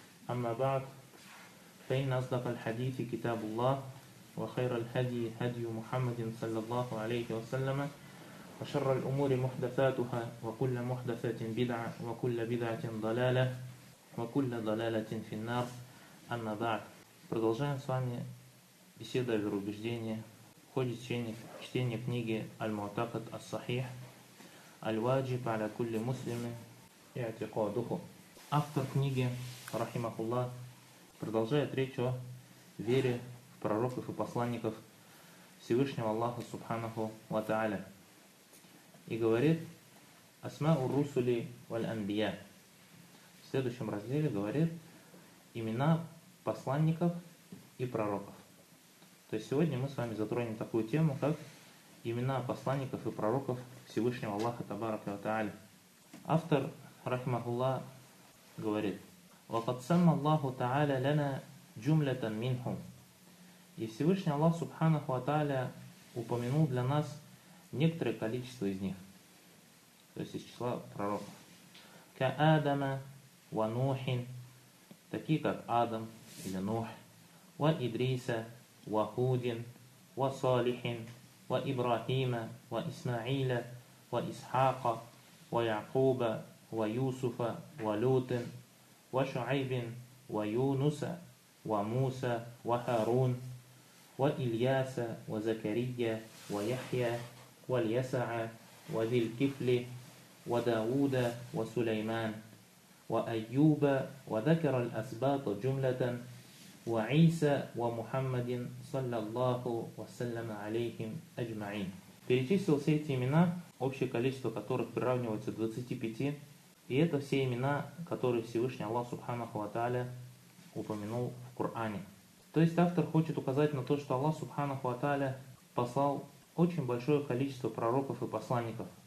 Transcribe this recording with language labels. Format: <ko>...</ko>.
<ar>أما بعد، فإن أصدق الحديث كتاب الله، وخير الهدي هدي محمد صلى الله عليه وسلم، وشر الأمور محدثاتها، وكل محدثة بدعة، وكل بدعة ضلالة، وكل ضلالة في النار. أما بعد،</ar> <ru>продолжаем с вами беседа о вероубеждении в ходе чтения книги «Аль-Муатакад Ас-Сахих».</ru> <ar>الواجب على كل مسلم اعتقاده.</ar> <ru>Автор книги, рахимахуллах, продолжает речь о вере в пророков и посланников Всевышнего Аллаха Субханаху ва Тааля. И говорит «Асмау русули валь анбия». В следующем разделе говорит «Имена посланников и пророков». То есть сегодня мы с вами затронем такую тему, как имена посланников и пророков Всевышнего Аллаха Табарака ва Тааля. Автор, рахимахуллах, говорит:</ru> <ar>وَقَدْ سَمَّ اللَّهُ تَعَالَى لَنَا جُمْلَةً مِنْهُمْ.</ar> <ru>И Всевышний Аллах Субханаху ва Тааля упомянул для нас некоторое количество из них, то есть из числа пророков.</ru> <ar>كَآدَمَ وَنُوحٍ,</ar> <ru>такие как Адам или Нух,</ru> <ar>وَإِدْرِيسَ وَهُودٍ وَصَالِحٍ وإبراهيم وإسماعيل وإسحاق ويعقوب ويوسف ولوط وشعيب ويونس وموسى وهارون وإلياس وزكريا ويحيى واليسع وذي الكفل وداود وسليمان وأيوب، وذكر الأسباط جملة، وعيسى ومحمد صلى الله وسلم عليهم أجمعين.</ar> <ru>Перечислил все эти имена, общее количество которых приравнивается к 25, и это все имена, которые Всевышний Аллах Субханаху ва Тааля упомянул в Коране. То есть автор хочет указать на то, что Аллах Субханаху ва Тааля послал очень большое количество пророков и посланников.</ru>